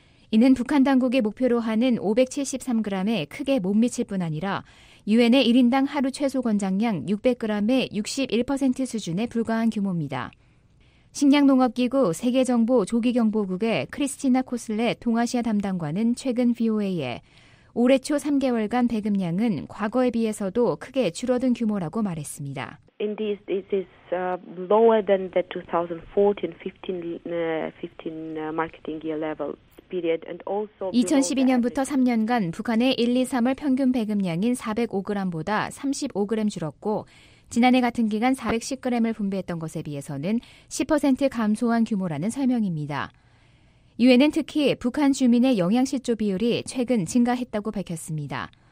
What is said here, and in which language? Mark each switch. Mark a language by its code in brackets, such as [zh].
[ko] 이는 북한 당국의 목표로 하는 573g에 크게 못 미칠 뿐 아니라 유엔의 1인당 하루 최소 권장량 600g의 61% 수준에 불과한 규모입니다. 식량농업기구 세계정보조기경보국의 크리스티나 코슬레 동아시아 담당관은 최근 VOA에 올해 초 3개월간 배급량은 과거에 비해서도 크게 줄어든 규모라고 말했습니다. [en] Indeed, it is lower than the 2014-15 marketing year level. [ko] 2012년부터 3년간 북한의 1, 2, 3월 평균 배급량인 405g보다 35g 줄었고 지난해 같은 기간 410g을 분배했던 것에 비해서는 10% 감소한 규모라는 설명입니다. 유엔은 특히 북한 주민의 영양실조 비율이 최근 증가했다고 밝혔습니다.